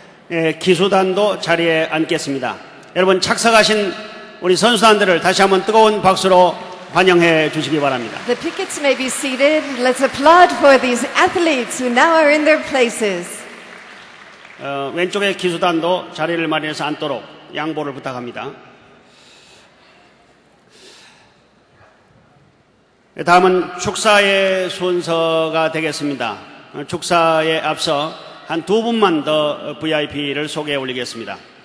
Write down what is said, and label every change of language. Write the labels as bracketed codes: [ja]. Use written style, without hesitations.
[ko] 예, 기수단도 자리에 앉겠습니다. 여러분, 착석하신 우리 선수단들을 다시 한번 뜨거운 박수로 환영해 주시기 바랍니다. [en] The pickets may be seated. Let's applaud for these athletes who now are in their places. [ko] 왼쪽에 기수단도 자리를 마련해서 앉도록 양보를 부탁합니다. 다음은 축사의 순서가 되겠습니다. 축사에 앞서 한 두 분만 더 VIP를 소개해 올리겠습니다.